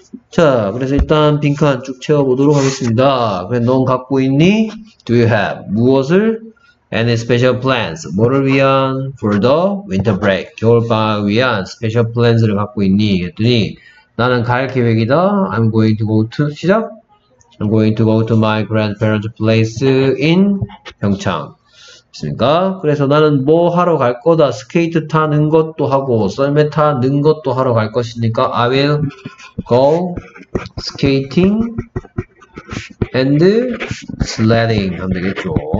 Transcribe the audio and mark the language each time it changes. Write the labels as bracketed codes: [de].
[ko] 자, 그래서 일단 빈칸 쭉 채워보도록 하겠습니다. 그래, 넌 갖고 있니? [en] Do you have? [ko] 무엇을? [en] Any special plans? [ko] 뭐를 위한? [en] For the winter break. [ko] 겨울방학 위한 [en] special plans를 [ko] 갖고 있니? 했더니 나는 갈 계획이다. [en] I'm going to go to, [ko] 시작. [en] I'm going to go to my grandparents' place in 평창. [ko] 있습니까? 그래서 나는 뭐 하러 갈 거다. 스케이트 타는 것도 하고 썰매 타는 것도 하러 갈 것이니까 [en] I will go skating and sledding [ko] 하면 되겠죠.